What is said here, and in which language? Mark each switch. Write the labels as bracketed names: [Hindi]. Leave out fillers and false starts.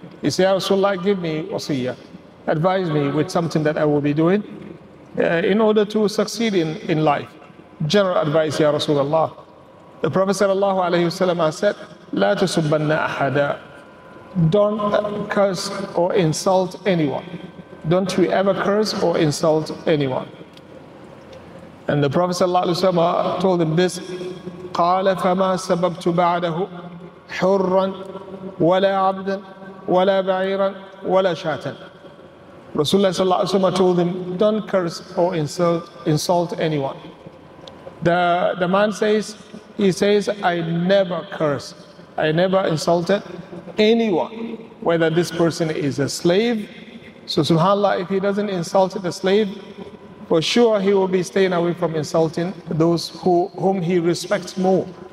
[English] He said, Ya Rasulullah, give me wasiyah. Advise me with something that I will be doing in order to succeed in life. General advice, Ya Rasulullah. The Prophet sallallahu alayhi wa sallam said, [Arabic] La tusubbanna ahada. [English] Don't curse or insult anyone. Don't you ever curse or insult anyone. And the Prophet sallallahu alaihi wasallam told him this, [Arabic] قَالَ فَمَا سَبَبْتُ بَعْدَهُ حُرًّا وَلَا عَبْدًا وَلَا بَعِيرًا وَلَا شَاتًا. [English] Rasulullah sallallahu alaihi wasallam told him, don't curse or insult anyone. The man says, he says, I never curse, I never insulted anyone, whether this person is a slave. So subhanAllah, if he doesn't insult the slave, for sure he will be staying away from insulting those whom he respects more.